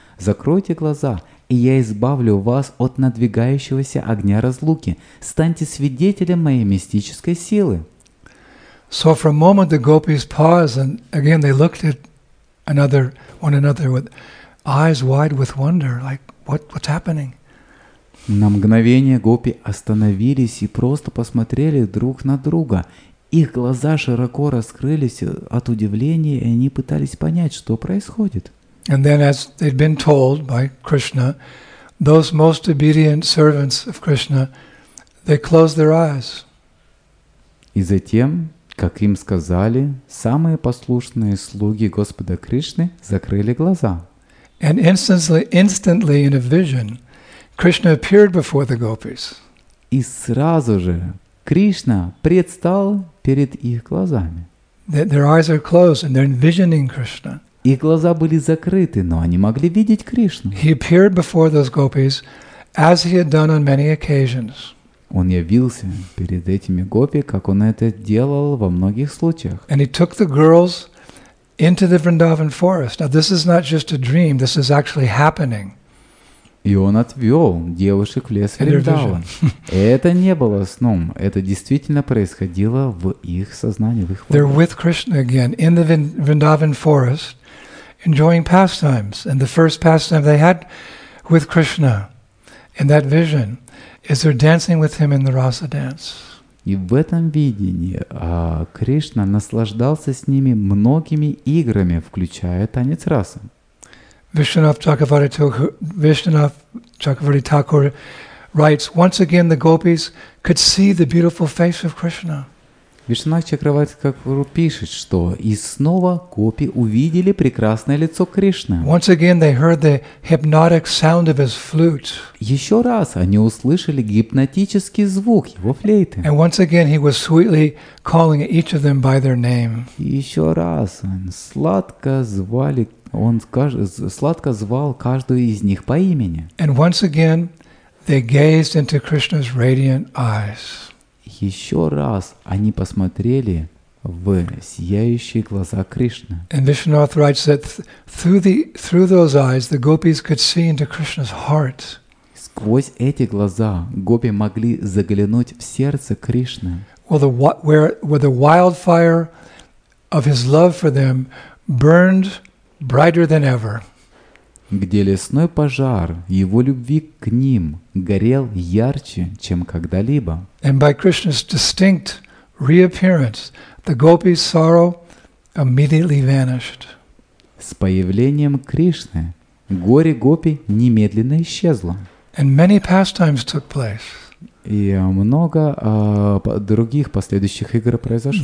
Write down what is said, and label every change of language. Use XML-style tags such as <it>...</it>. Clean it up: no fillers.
<ru>Закройте глаза, и я избавлю вас от надвигающегося огня разлуки. Станьте свидетелем моей мистической силы.</ru> <en>So for a moment the gopis paused and again they looked at one another with eyes wide with wonder, like what's happening?</en> <ru>На мгновение гопи остановились и просто посмотрели друг на друга. Их глаза широко раскрылись от удивления, и они пытались понять, что происходит.</ru> <en>And then, as they'd been told by Krishna, those most obedient servants of Krishna, they closed their eyes.</en> <ru>И затем, как им сказали, самые послушные слуги Господа Кришны закрыли глаза.</ru> <en>And instantly in a vision, Krishna appeared before the gopis.</en> <ru>И сразу же Кришна предстал перед их глазами.</ru> <en>Their eyes are closed and they're envisioning Krishna.</en> <ru>Их глаза были закрыты, но они могли видеть Кришну.</ru> <en>He appeared before those gopis, as he had done on many occasions.</en> <ru>Он явился перед этими гопи, как он это делал во многих случаях.</ru> <en>And he took the girls into the Vrindavan forest. Now this is not just a dream, this is actually happening.</en> <ru>И он отвел девушек в лес Вриндаван. Это не было сном, это действительно происходило в их сознании, в их воле.</ru> <en>They're with Krishna again in the Vrindavan forest, enjoying pastimes. And the first pastime they had with Krishna in that vision is they're dancing with him in the Rasa dance.</en> <ru>И в этом видении Кришна наслаждался с ними многими играми, включая танец Раса.</ru> <en>Vishwanath Chakravarti Thakur writes, "Once again the gopis could see the beautiful face of Krishna."</en> <ru>Вишванатх Чакраварти Такур пишет, что и снова гопи увидели прекрасное лицо Кришны.</ru> <en>Once again they heard the hypnotic sound of his flute.</en> <ru>Еще раз они услышали гипнотический звук его флейты.</ru> <en>And once again he was sweetly calling each of them by their name.</en> <ru>Еще раз он сладко звали. Он сладко звал каждую из них по имени.</ru> <en>And once again, they gazed into Krishna's radiant eyes.</en> <ru>Еще раз они посмотрели в сияющие глаза Кришны.</ru> <en>And Vishwanath writes that through those eyes the gopis could see into Krishna's heart.</en> <ru>Сквозь эти глаза гопи могли заглянуть в сердце Кришны.</ru> <en>Where the wildfire of his love for them burned brighter than ever.</en> <ru>Где лесной пожар его любви к ним горел ярче, чем когда-либо.</ru> <en>And by Krishna's distinct reappearance, the gopis' sorrow immediately vanished.</en> <ru>С появлением Кришны горе гопи немедленно исчезло.</ru> <en>And many pastimes took place.</en> <ru>И много других последующих игр произошло.</ru>